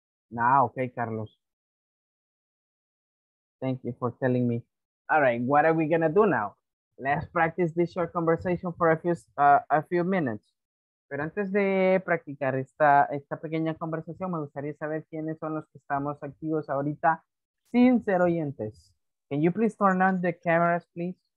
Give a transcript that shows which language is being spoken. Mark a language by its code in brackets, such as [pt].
[en] Nah, okay, Carlos. Thank you for telling me. All right, what are we gonna do now? Let's practice this short conversation for a few minutes. [es] Pero antes de practicar esta pequeña conversación, me gustaría saber quiénes son los que estamos activos ahorita sin ser oyentes. [en] Can you please turn on the cameras, please?